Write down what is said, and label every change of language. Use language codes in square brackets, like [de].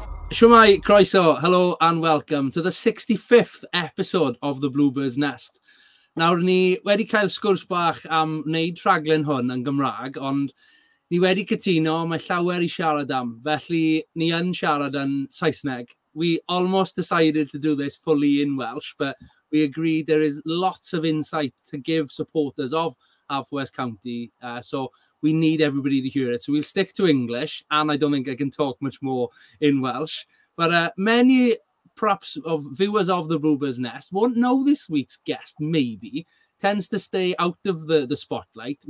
[cy] Shwmae, croeso, [en] hello and welcome to the 65th episode of the Bluebirds Nest. [cy] Nawr ni wedi cael sgwrs bach am wneud rhaglen hwn yn Gymraeg, ond ni wedi cytuno mae llawer I siarad am, felly ni yn siarad yn Saesneg. [en] We almost decided to do this fully in Welsh, but we agreed there is lots of insight to give supporters of Half West County, so we need everybody to hear it. So we'll stick to English, and I don't think I can talk much more in Welsh. But many props of viewers of the Bluebirds Nest won't know this week's guest, maybe, tends to stay out of the spotlight.